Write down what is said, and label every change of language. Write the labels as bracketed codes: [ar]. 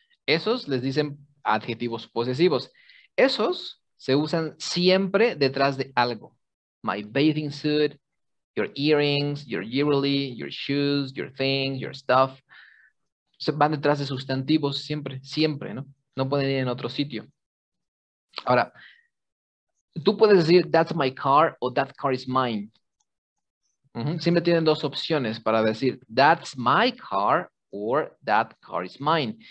[es] Esos les dicen adjetivos posesivos. Esos se usan siempre detrás de algo. [en] My bathing suit. Your earrings, your jewelry, your shoes, your things, your stuff. [es] So van detrás de sustantivos siempre, siempre, ¿no? No pueden ir en otro sitio. Ahora, tú puedes decir, [en] that's my car o that car is mine. Mm-hmm. [es] Siempre tienen dos opciones para decir, [en] that's my car or that car is mine.